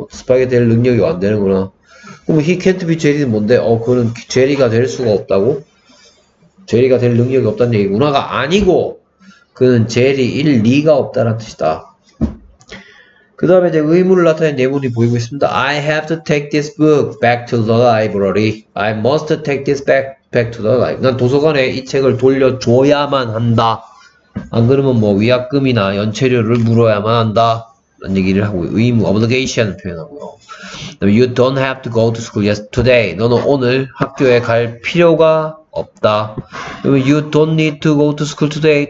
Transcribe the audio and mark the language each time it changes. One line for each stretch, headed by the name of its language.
Korean: 스파이 될 능력이 안 되는구나. 그럼
English: he can't be Jerry
Korean: 는 뭔데? 그는 Jerry가 될 수가 없다고? Jerry가 될 능력이 없다는 얘기구나가 아니고 그는 Jerry일 리가 없다라는 뜻이다. 그 다음에 이제 의무를 나타낸 예문이 보이고 있습니다.
English: I have to take this book back to the library. I must take this back to the library.
Korean: 난 도서관에 이 책을 돌려줘야만 한다. 안 그러면 뭐 위약금이나 연체료를 물어야만 한다. 라는 얘기를 하고 의무, obligation 표현하고요.
English: You don't have to go to school yesterday.
Korean: 너는 오늘 학교에 갈 필요가 없다.
English: You don't need to go to school today.